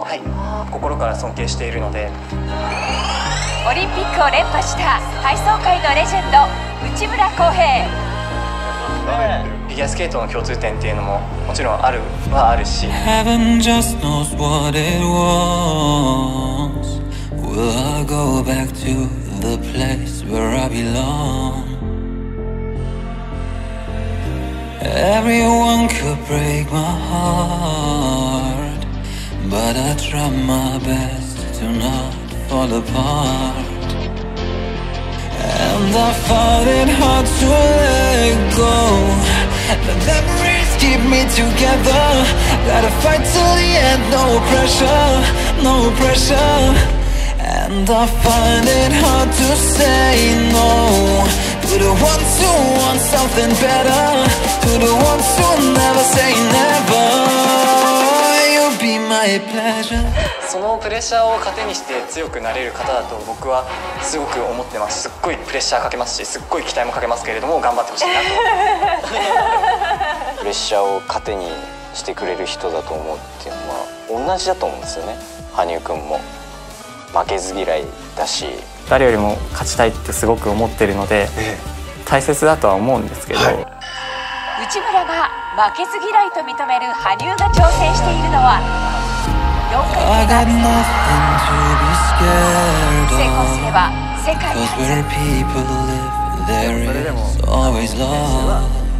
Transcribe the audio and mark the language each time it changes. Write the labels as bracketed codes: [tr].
[ja] はい、心から尊敬しているので。オリンピックを連覇した体操界のレジェンド内村航平。フィギュアスケートの共通点っていうのももちろんあるはあるし、 [en] Heaven just knows what it was. Will I go back to the place where I belong? Everyone could break my heart, but I try my best to not fall apart. And I found it hard to let go. The memories keep me together. Gotta fight till the end, no pressure, no pressure. And I find it hard to say no to the ones who want something better, to the ones who never say never. You'll be my pleasure. [ja] そのプレッシャーを糧にして強くなれる方だと僕はすごく思ってます。すっごいプレッシャーかけますし、すっごい期待もかけますけれども、頑張ってほしいなと。プレッシャーを糧にしてくれる人だと思うっていうのは同じだと思うんですよね。羽生くんも負けず嫌いだし、誰よりも勝ちたいってすごく思ってるので、大切だとは思うんですけど、はい、内村が負けず嫌いと認める羽生が挑戦しているのは、 [en] I got nothing to be scared of. Cause where people live, there is always love.